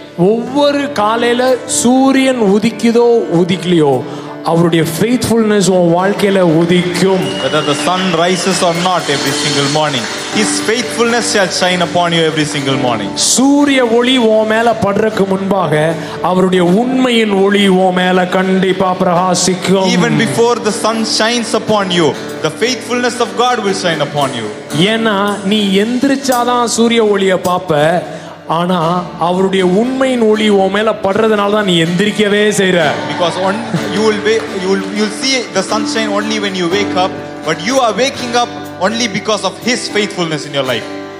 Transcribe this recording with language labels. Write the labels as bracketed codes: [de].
[ta] ஒவ்வொரு காலையில சூரியன் உதிக்குதோ உதிக்கலையோ அவருடைய faithfulness உன் வாழ்க்கையில உதிக்கும். [en] Whether the sun rises or not every single morning, his faithfulness shall shine upon you every single morning. [ta] சூரிய ஒளி உன் மேல படுறதுக்கு முன்பாக அவருடைய உண்மையின் ஒளி உன் மேல கண்டிப்பா பிரகாசிக்கும். [en] Even before the sun shines upon you, the faithfulness of God will shine upon you. [ta] ஏன்னா நீ எந்திரச்சாதான் சூரிய ஒளிய பாப்ப, ஆனா அவருடைய உண்மையின் ஒளி உன் மேல படுறதுனால தான் நீ எந்திரிக்கவே செய்ற. [en] Because you will see the sunshine only when you wake up, but you are waking up only because of his faithfulness in your life.